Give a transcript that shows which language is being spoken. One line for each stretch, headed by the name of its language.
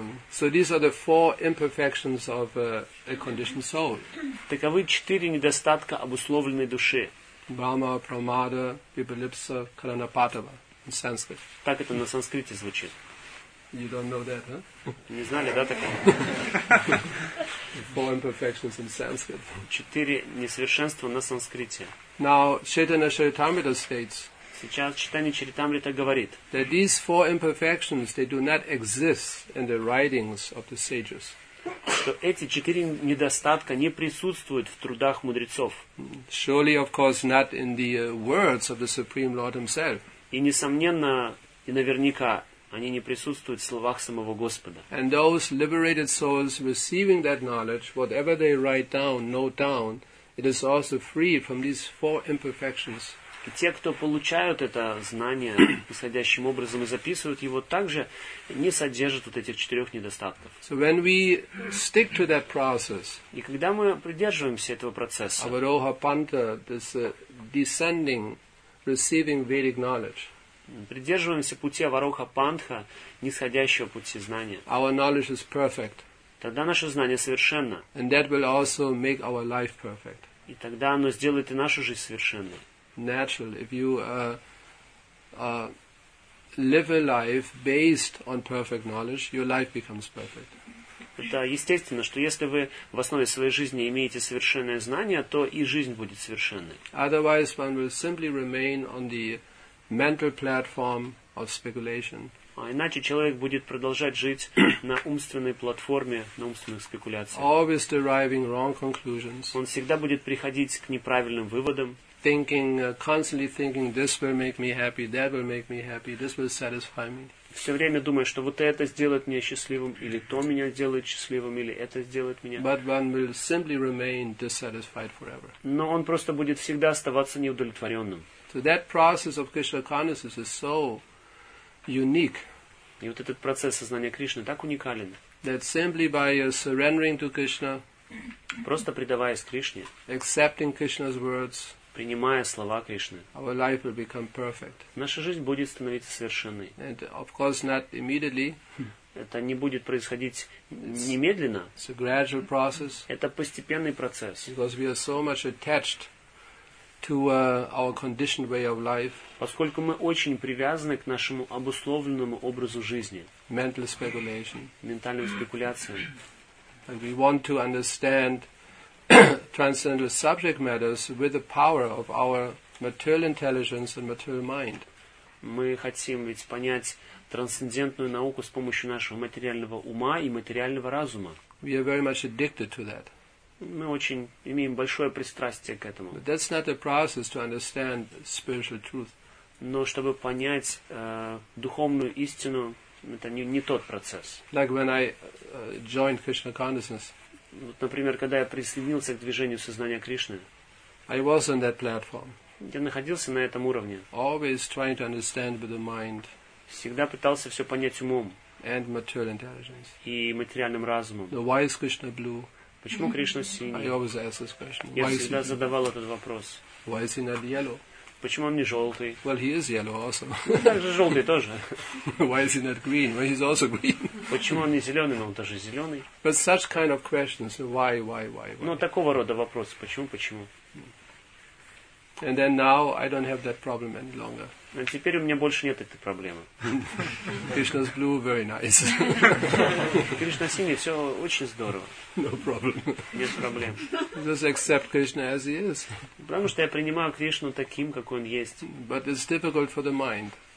English: So these are the four imperfections of a conditioned soul.
Russian: Таковы четыре недостатка обусловленной души.
English: Brahma, Pramada, Vibhalipsa, Karanapatava in Sanskrit.
Russian: Так это на санскрите звучит.
English: You don't know that, huh?
Russian: Не знали, да, такого?
English: Four imperfections in Sanskrit.
Russian: Четыре несовершенства на санскрите.
English: Now, Chaitanya Charitamrita states,
Russian: сейчас Чайтанья Чаритамрита говорит,
English: that these four imperfections, they do not exist in the writings of the sages.
Russian: Что эти четыре недостатка не присутствуют в трудах мудрецов.
English: Surely, of course, not in the words of the Supreme Lord himself.
Russian: И несомненно, и наверняка, они не присутствуют в словах самого Господа.
English: And those liberated souls receiving that knowledge, whatever they write down, note down, it is also free from these four imperfections.
Russian: И те, кто получают это знание исходящим образом и записывают его, также не содержат вот этих четырех недостатков.
English: So when we stick to that process,
Russian: и когда мы придерживаемся этого процесса,
English: Avaroha Panta, this descending, receiving Vedic knowledge,
Russian: придерживаемся пути Avaroha Panta, нисходящего пути знания,
English: our knowledge is perfect.
Russian: Тогда наше знание совершенно.
English: And that will also make our life perfect.
Russian: И тогда оно сделает и нашу жизнь совершенной.
English: Natural. If you live a life based on perfect knowledge, your life becomes perfect.
Russian: Это естественно, что если вы в основе своей жизни имеете совершенное знание, то и жизнь будет совершенной.
English: Otherwise, one will simply remain on the mental platform of speculation.
Russian: А иначе человек будет продолжать жить на умственной платформе, на умственных спекуляциях.
English: Always deriving wrong conclusions.
Russian: Он всегда будет приходить к неправильным выводам.
English: Thinking, constantly thinking, this will make me happy, that will make me happy, this will satisfy me.
Russian: Все время думаю, что вот это сделает меня счастливым, или то меня сделает счастливым, или это сделает меня.
English: But one will simply remain dissatisfied forever.
Russian: Но он просто будет всегда оставаться неудовлетворенным.
English: So that process of Krishna consciousness is so unique.
Russian: И вот этот процесс сознания Кришны так уникален.
English: That simply by surrendering to Krishna,
Russian: просто предаваясь Кришне,
English: accepting Krishna's words,
Russian: принимая слова Кришны,
English: our life will become perfect.
Russian: Наша жизнь будет становиться совершенной.
English: And of course not immediately.
Russian: Это не будет происходить немедленно.
English: It's a gradual process.
Russian: Это постепенный процесс.
English: Because we are so much attached to our conditioned way of life.
Russian: Поскольку мы очень привязаны к нашему обусловленному образу жизни.
English: Mental speculation.
Russian: Ментальным спекуляциям.
English: And we want to understand transcendental subject matters with the power of our material intelligence and material mind.
Russian: Мы хотим ведь понять трансцендентную науку с помощью нашего материального ума и материального разума.
English: We are very much addicted to that.
Russian: Мы очень имеем большое пристрастие к этому.
English: But that's not the process to understand spiritual truth.
Russian: Но чтобы понять духовную истину, это не тот процесс.
English: Like when I joined Krishna consciousness.
Russian: Вот, например, когда я присоединился к движению сознания Кришны,
English: I was on that platform.
Russian: Я находился на этом уровне.
English: Always trying to understand with the mind.
Russian: Всегда пытался все понять умом.
English: And material intelligence.
Russian: И материальным разумом.
English: Now, why is Krishna blue?
Russian: Почему Кришна синий?
English: I always ask this question.
Russian: Я всегда задавал этот вопрос.
English: Why is he not yellow?
Russian: Почему он не желтый?
English: Well, he is yellow also.
Russian: Также желтый тоже.
English: Why is he not green? Well, he's also green.
Russian: Почему он не зеленый, но он тоже зеленый?
English: But such kind of questions, why?
Russian: Ну, такого рода вопросы, почему?
English: And then now I don't have that problem any longer.
Russian: А теперь у меня больше нет этой проблемы.
English: Krishna's blue, very nice.
Russian: Кришна синий, все очень здорово.
English: No problem.
Russian: Нет проблем.
English: Just accept Krishna as he is.
Russian: Потому что я принимаю Кришну таким, какой он есть.
English: But it's difficult for the mind.